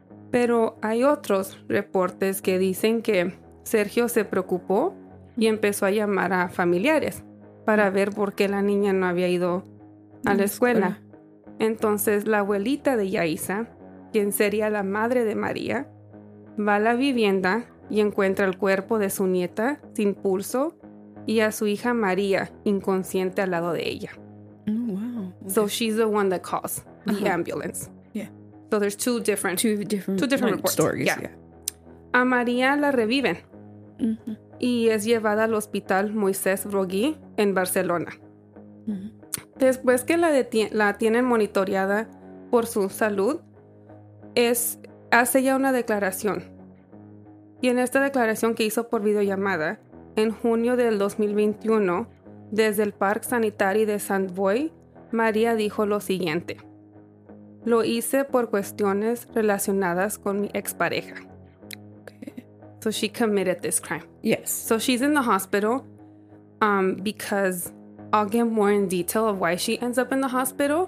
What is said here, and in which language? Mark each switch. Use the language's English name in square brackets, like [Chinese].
[Spanish] Pero hay otros reportes que dicen que Sergio se preocupó y empezó a llamar a familiares para ver por qué la niña no había ido a la escuela. Entonces, la abuelita de Yaiza, quien sería la madre de María, va a la vivienda y encuentra el cuerpo de su nieta sin pulso y a su hija María inconsciente al lado de ella. [English] Oh, wow. So she's the one that calls the ambulance. Yeah. So there's two different reports. Stories. Yeah. [Spanish] A María la reviven. Uh-huh. Y es llevada al hospital Moisés Broguí en Barcelona. Uh-huh. Después que la tienen monitoreada por su salud, hace ya una declaración. Y en esta declaración que hizo por videollamada, en junio del 2021, desde el Parque Sanitario de Sainte-Voie, María dijo lo siguiente. Lo hice por cuestiones relacionadas con mi expareja. [English] Okay. So she committed this crime. Yes. So she's in the hospital because I'll get more in detail of why she ends up in the hospital.